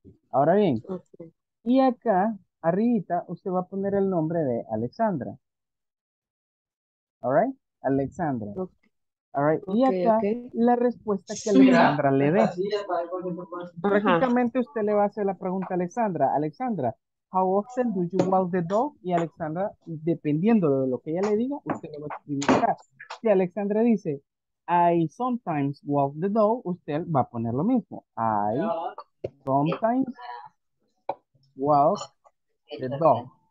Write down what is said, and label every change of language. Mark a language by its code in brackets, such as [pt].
[es] Ahora bien, okay. Y acá, arribita, usted va a poner el nombre de Alexandra. [en] All right? Alexandra. Okay. All right. Okay, [es] y acá, [en] okay. [es] La respuesta que Alexandra le dé. Prácticamente usted le va a hacer la pregunta a Alexandra. [en] Alexandra, how often do you walk the dog? [es] Y Alexandra, dependiendo de lo que ella le diga, usted le va a escribir acá. Si Alexandra dice, [en] I sometimes walk the dog, [es] usted va a poner lo mismo. [en] I sometimes walk the dog.